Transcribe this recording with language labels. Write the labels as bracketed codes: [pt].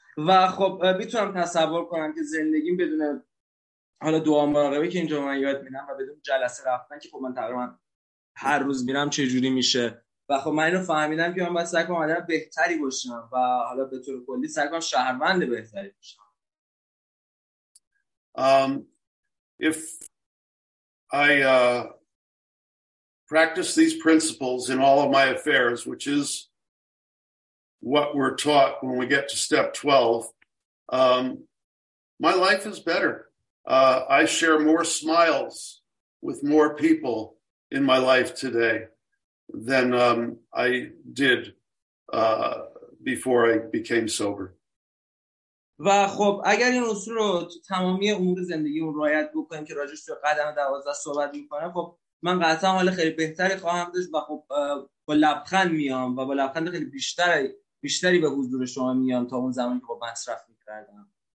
[fa] و خب میتونم تصور کنم که زندگیم بدون حالا دعا مراقبه که اینجا من یاد میدم و بدون جلسه رفتن که خب من تقریبا هر روز میرم چه جوری میشه. و خب من اینو فهمیدم که من باید سعی کنم آدم بهتری باشم و حالا به طور کلی سعی کنم شهروند بهتری باشم. [en] If I practice these principles in all of my affairs, which is what we're taught when we get to step 12, my life is better. I share more smiles with more people in my life today than I did before I became sober. [fa] و خب اگر این اصول رو تو تمامی امور زندگیمون رعایت بکنیم که راجعش تو قدم 12 صحبت می‌کنه، خب من قطعا حال خیلی بهتری خواهم داشت و خب با لبخند میام و با لبخند خیلی بیشتری به حضور شما میام تا اون زمانی که با مصرف می‌کردم.